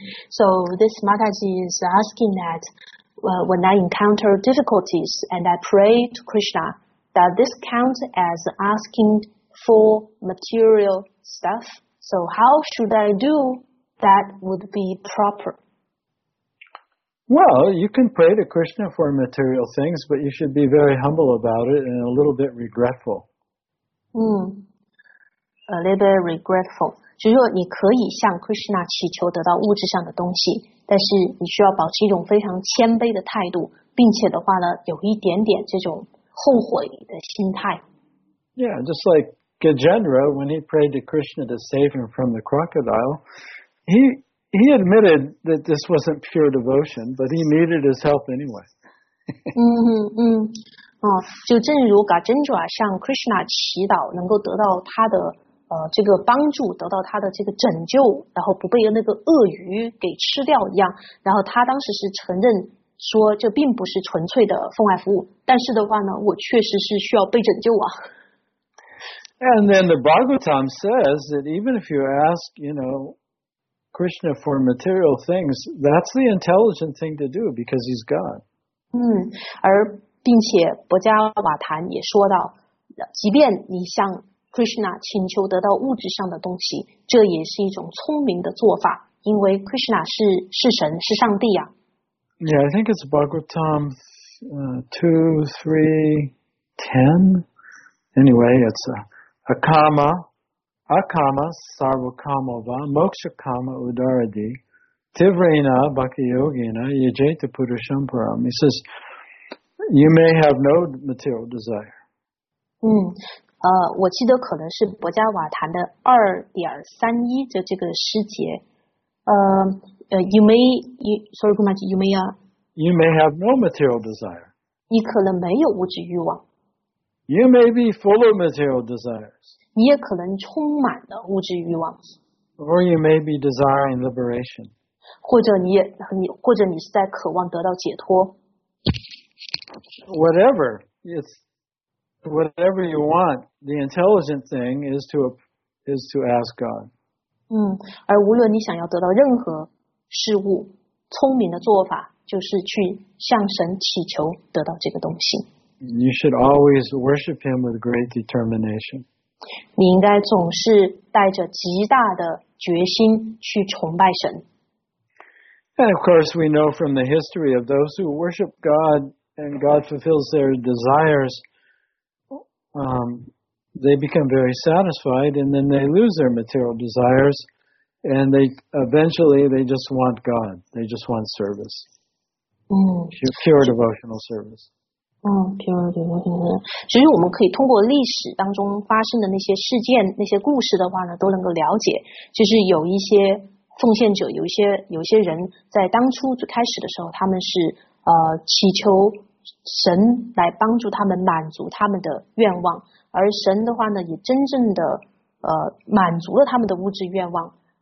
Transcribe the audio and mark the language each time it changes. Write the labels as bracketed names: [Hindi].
[English] So this Madaji is asking that when I encounter difficulties and I pray to Krishna, does this count as asking for material stuff? So how should I do that would be proper? Well, you can pray to Krishna for material things, but you should be very humble about it and a little bit regretful. A little bit regretful. [Chinese] 就是说你可以向 Krishna 祈求得到物质上的东西，但是你需要保持一种非常谦卑的态度，并且的话呢，有一点点这种后悔的心态。 [English] Yeah, just like Gajendra, when he prayed to Krishna to save him from the crocodile, He admitted that this wasn't pure devotion, but he needed his help anyway. [Chinese] 就正如 Gajendra 向 Krishna 祈祷，能够得到他的这个帮助，得到他的这个拯救，然后不被那个鳄鱼给吃掉一样。然后他当时是承认说，这并不是纯粹的奉爱服务，但是的话呢，我确实是需要被拯救啊。 [English] And then the Bhagavatam says that even if you ask, you know. Krishna for material things, that's the intelligent thing to do because he's God. [Chinese] 而并且博迦瓦坦也说到，即便你向 Krishna 请求得到物质上的东西，这也是一种聪明的做法，因为 Krishna 是神，是上帝啊。 [English] Yeah, I think it's Bhagavatam 2, 3, 10. Anyway, it's a kama. [Sanskrit] Akama, Sarvakama, Va, Moksha Kama, Udaradi, Tivrena, Bhakti Yogina, Yajeta Purushamparam. [English] He says, you may have no material desire. [Chinese] 我记得可能是博迦瓦坛的 2.31 的这个诗节。 [English] You may have no material desire. [Chinese] 你可能没有物质欲望。 [English] You may be full of material desires. [Chinese] 你也可能充满了物质欲望。 [English] Or you may be desiring liberation. [Chinese] 或者你是在渴望得到解脱。 [English] Whatever you want, the intelligent thing is to ask God. [Chinese] 而无论你想要得到任何事物，聪明的做法就是去向神祈求得到这个东西。 [English] You should always worship him with great determination. [Chinese] 你应该总是带着极大的决心去崇拜神。 [English] And of course, we know from the history of those who worship God and God fulfills their desires, they become very satisfied, and then they lose their material desires, and they eventually just want God. They just want service. Pure devotional service. [Chinese] 其实我们可以通过历史当中发生的那些事件、那些故事的话呢，都能够了解，就是有一些奉献者，有一些人在当初最开始的时候，他们是祈求神来帮助他们满足他们的愿望，而神的话呢，也真正的满足了他们的物质愿望，